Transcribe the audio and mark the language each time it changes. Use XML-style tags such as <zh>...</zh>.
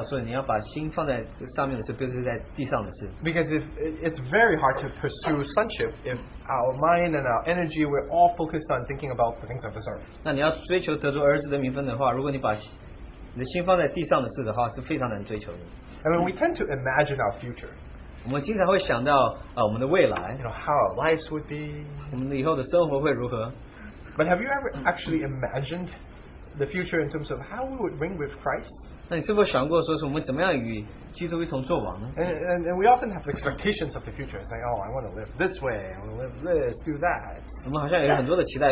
<zh>那就提醒到哥罗西书所提到说你要把心放在上面的事不是在地上的事,</zh> <en>because if it's very hard to pursue sonship if our mind and our energy we're all focused on thinking about the things of this earth.</en> <zh>那你要追求得着儿子的名分的话如果你把你的心放在地上的事的话是非常难追求的。</zh> <en>I mean, we tend to imagine our future.</en> <zh>我们经常会想到, 我们的未来,</zh> <en>you know, how our lives would be.</en> <zh>我们以后的生活会如何?</zh> <en>But have you ever actually imagined the future in terms of how we would reign with Christ? And we often have expectations of the future. It's like, oh, I want to live this way, I want to live this, do that.</en>